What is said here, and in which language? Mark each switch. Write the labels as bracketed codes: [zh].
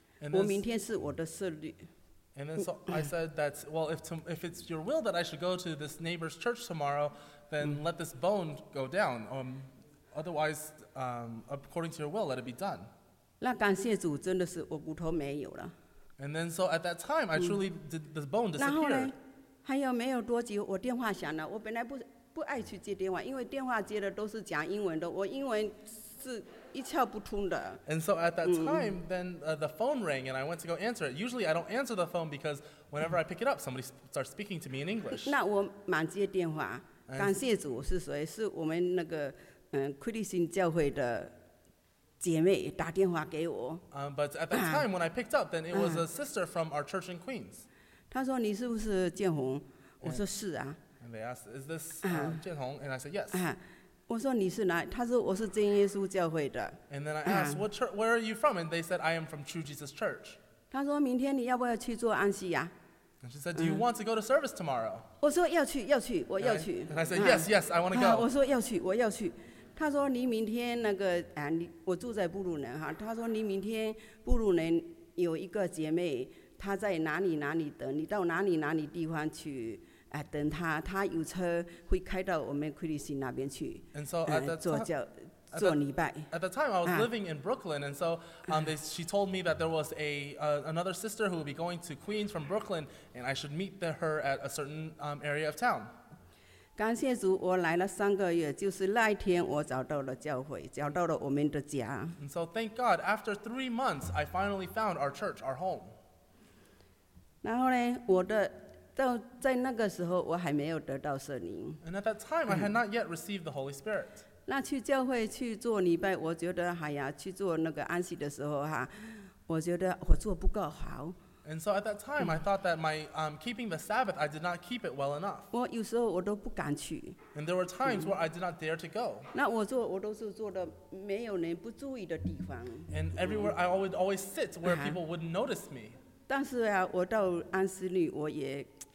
[zh] 我说他们明天说叫他们去，他教会去，是你的旨意叫我去，那你就去。如果说不是你的旨意，你也是不是。如果说是你的旨意，你把这个骨头把我那个吞下去，我明天是我的赦罪。And [en] then so I said that, well, if it's your will that I should go to this neighbor's church tomorrow, then let this bone go down. Otherwise, according to your will, let it be done. [zh] 那感谢主，真的是我骨头没有了。And [en] then so at that time, I truly did the bone disappear. [zh] 然后呢，还有没有多久，我电话响了。我本来不不爱去接电话，因为电话接的都是讲英文的，我英文是一窍不通的。 [en] And so at that time, then the phone rang and I went to go answer it. Usually I don't answer the phone because whenever I pick it up, somebody starts speaking to me in English. [zh] 那我忙接电话，感谢主是谁？是我们那个奎利新教会的姐妹打电话给我。 [en] But at that time when I picked up, then it was a sister from our church in Queens. [zh] 她说你是不是建宏？我说是啊。 [en] And they asked, "Is this建宏?" And I said, "Yes." [zh] 我说你是哪？他说我是真耶稣教会的。 [en] And then I asked, "What church? Where are you from?" And they said, "I am from True Jesus Church." [zh] 他说明天你要不要去做安息呀？ [en] And she said, "Do you want to go to service tomorrow?" [zh] 我说要去，要去，我要去。 [en] And I said, "Yes, yes, I want to go." [zh] 我说要去，我要去。他说你明天那个啊，你我住在布鲁能哈。他说你明天布鲁能有一个姐妹，她在哪里哪里等你，到哪里哪里地方去。等他，他有车会开到我们奎利辛那边去，做礼拜。 [en] At the time, I was living in Brooklyn, and so she told me that there was another sister who would be going to Queens from Brooklyn, and I should meet her at a certain area of town. [zh] 感谢主，我来了三个月，就是那一天我找到了教会，找到了我们的家。 [en] And so thank God, after 3 months, I finally found our church, our home. [zh] 然后呢，我的到在那个时候，我还没有得到圣灵。 [en] And at that time, I had not yet received the Holy Spirit. [zh] 那去教会去做礼拜，我觉得哎呀，去做那个安息的时候哈，我觉得我做不够好。 [en] And so at that time, I thought that my keeping the Sabbath, I did not keep it well enough. [zh] 我有时候我都不敢去。 [en] And there were times where I did not dare to go. [zh] 那我都是坐的没有人不注意的地方。 [en] And everywhere I would always sit where people wouldn't notice me. [zh] 但是呀，我到安息里我也。